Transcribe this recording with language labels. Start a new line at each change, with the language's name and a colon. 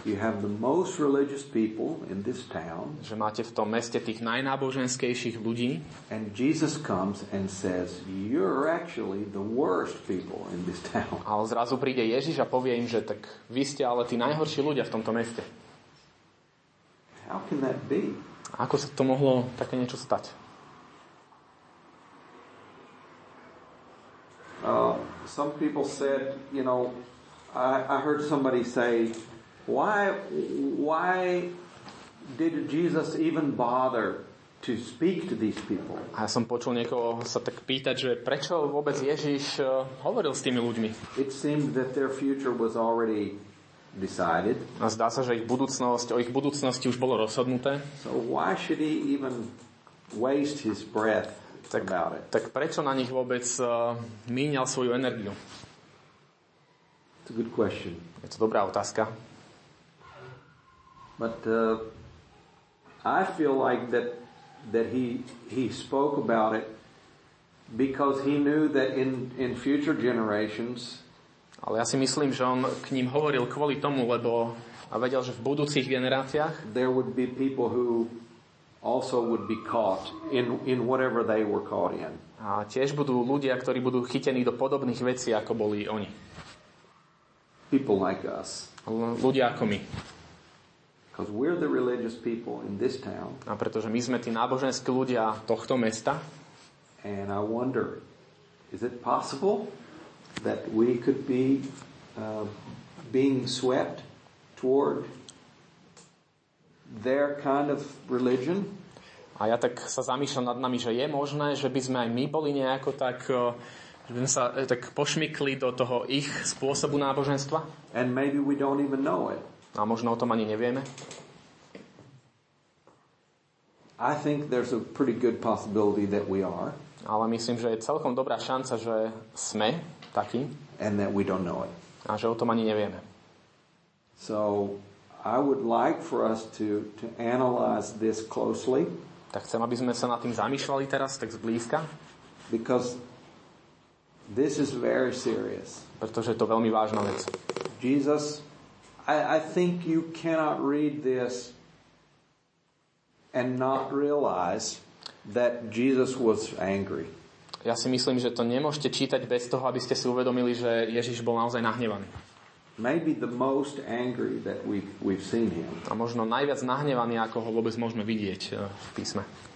English: You have the most religious people in this town.
Slovak: Že máte v tom meste tých najnáboženskejších ľudí.
English: And Jesus comes and says, you're actually the worst people in this town.
Slovak: A zrazu príde Ježiš a povie im, že tak vy ste ale tí najhorší ľudia v tomto meste.
English: How can that be?
Slovak: Ako sa to mohlo také niečo stať?
English: Some people said, you know, I heard somebody say, why did Jesus even bother to speak to these people?
Slovak: A som počul niekoho sa tak pýtať, že prečo vôbec Ježiš hovoril s tými ľuďmi?
English: It seemed that their future was already decided.
Slovak: A zdá sa, že o ich budúcnosti už bolo rozhodnuté.
English: So why should he even waste his breath about it?
Slovak: Tak prečo na nich vôbec míňal svoju energiu?
English: It's a good question.
Slovak: Je to dobrá otázka.
English: But I feel like that he spoke about it because he knew that in future generations.
Slovak: Ale ja si myslím, že on k ním hovoril kvôli tomu, lebo a vedel, že v budúcich generáciách
English: there would be people who also would be caught in whatever they were caught in.
Slovak: A tiež budú ľudia, ktorí budú chytení do podobných vecí, ako boli oni.
English: People like us.
Slovak: Ľudia ako my.
English: Because we're the religious people in this town.
Slovak: A pretože my sme tí náboženskí ľudia tohto mesta.
English: And I wonder, is it possible that we could be being swept toward their kind of religion?
Slovak: A ja tak sa zamýšľam nad nami, že je možné, že by sme aj my boli nejako tak že by sme sa tak pošmykli do toho ich spôsobu náboženstva.
English: And maybe we don't even know it.
Slovak: A možno o tom ani nevieme.
English: I think there's a pretty good possibility that we are.
Slovak: Ale myslím, že je celkom dobrá šanca, že sme takí.
English: And that we don't know it.
Slovak: A že o tom ani nevieme.
English: So I would like for us to analyze this closely.
Slovak: Tak chcem, aby sme sa nad tým zamýšľali teraz tak zblízka.
English: Because this is very serious.
Slovak: Pretože je to veľmi vážna vec.
English: Jesus, I think you cannot read this and not realize. that Jesus was angry.
Slovak: Ja si myslím, že to nemôžete čítať bez toho, aby ste si uvedomili, že Ježiš bol naozaj nahnevaný.
English: Maybe the most angry that we've seen him.
Slovak: A možno najviac nahnevaný, ako ho vôbec môžeme vidieť v písme.